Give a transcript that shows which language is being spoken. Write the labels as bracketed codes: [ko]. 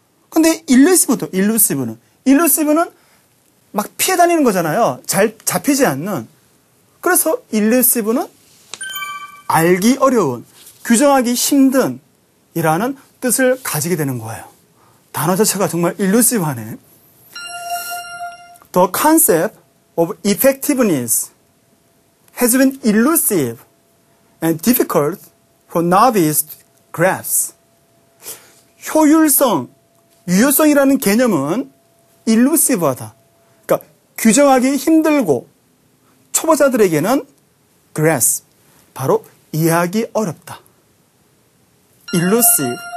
[ko] 근데 일루시브도, 일루시브는. 일루시브는 막 피해 다니는 거잖아요. 잘 잡히지 않는. 그래서 일루시브는 알기 어려운, 규정하기 힘든, 이라는 뜻을 가지게 되는 거예요. 단어 자체가 정말 일루시브하네. [en] The concept of effectiveness has been elusive and difficult for novice to grasp. [ko] 효율성, 유효성이라는 개념은 일루시브하다. 그러니까 규정하기 힘들고 초보자들에게는 grasp, 바로 이해하기 어렵다. [en] elusive.